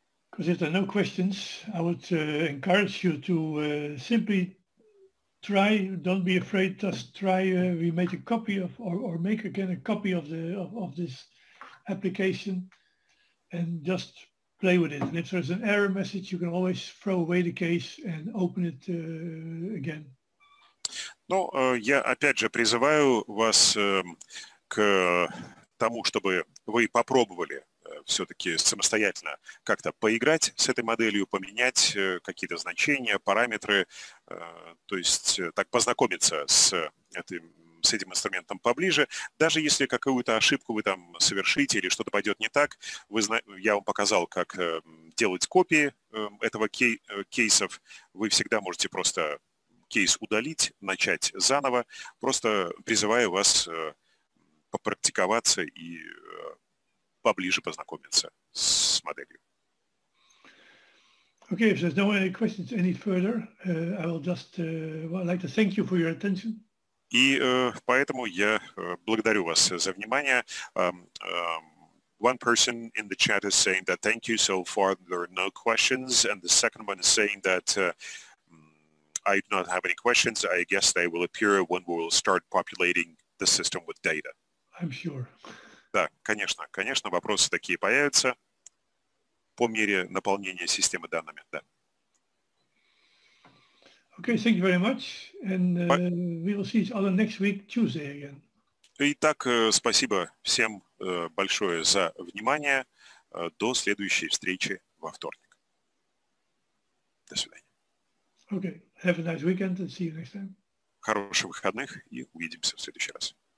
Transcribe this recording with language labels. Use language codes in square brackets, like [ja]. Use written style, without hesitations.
[en] Because if there are no questions, I would encourage you to simply try. Don't be afraid. Just try. We made a copy of, or make again a copy of the of this application, and just play with it. And if there's an error message, you can always throw away the case and open it again. [ru] Ну, я опять же призываю вас к тому, чтобы вы попробовали все-таки самостоятельно как-то поиграть с этой моделью, поменять какие-то значения, параметры, то есть так познакомиться с этим инструментом поближе. Даже если какую-то ошибку вы там совершите или что-то пойдет не так, я вам показал, как делать копии этого кейсов. Вы всегда можете просто кейс удалить, начать заново. Просто призываю вас попрактиковаться и поближе познакомиться с моделью. [en] Okay, if there's no questions any further, I will just well, I'd like to thank you for your attention. [ru] И поэтому я благодарю вас за внимание. [en] One person in the chat is saying that thank you, so far there are no questions, and the second one is saying that I do not have any questions. I guess they will appear when we will start populating the system with data. I'm sure. [ru] Да, конечно, конечно, вопросы такие появятся по мере наполнения системы данными, да. [en] Okay, thank you very much, and we will see each other next week, Tuesday again. [ru] Итак, спасибо всем большое за внимание. До следующей встречи во вторник. До свидания. [en] Okay, have a nice weekend and see you next time. [ru] Хороших выходных и увидимся в следующий раз.